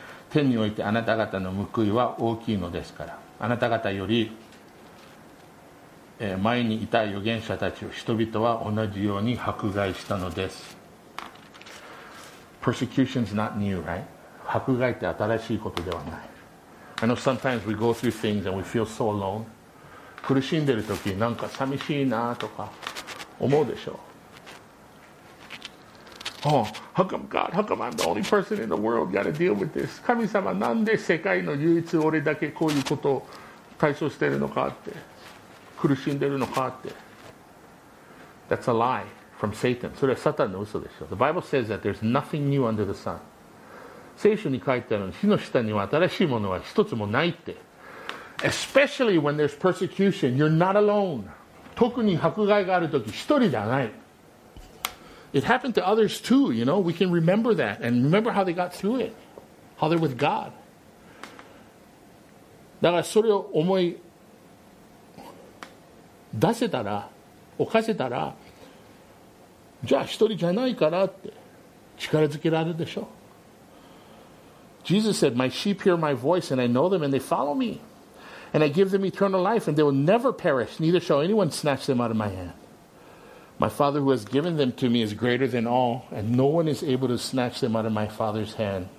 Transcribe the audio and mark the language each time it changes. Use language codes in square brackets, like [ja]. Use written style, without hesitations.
[ja] 天においてあなた方の報いは大きいのですから。あなた方より前にいた預言者たちを人々は同じように迫害したのです。 [en] Persecution's not new, right? [ja] 迫害って新しいことではない。 [en] I know sometimes we go through things and we feel so alone. [ja] 苦しんでる時なんか寂しいなとか思うでしょう。 [en] Oh, how come God? How come I'm the only person in the world got to deal with this? [ja] 神様なんで世界の唯一俺だけこういうことを対処してるのかって苦しんでるのかって。 [en] That's a lie from Satan. [ja] それはサタンの嘘でしょう。 [en] The Bible says that there's nothing new under the sun. [ja] 聖書に書いてあるの、火の下には新しいものは一つもないって。 [en] Especially when there's persecution, you're not alone. [ja] 特に迫害があるとき、一人ではない。 [en] It happened to others too, you know. We can remember that and remember how they got through it, how they're with God. [ja] だからそれを思い出せたら、犯せたら、じゃあ一人じゃないからって力づけられるでしょ。 [en] Jesus said, "My sheep hear my voice, and I know them, and they follow me." And I give them eternal life, and they will never perish, neither shall anyone snatch them out of my hand. My Father who has given them to me is greater than all, and no one is able to snatch them out of my Father's hand.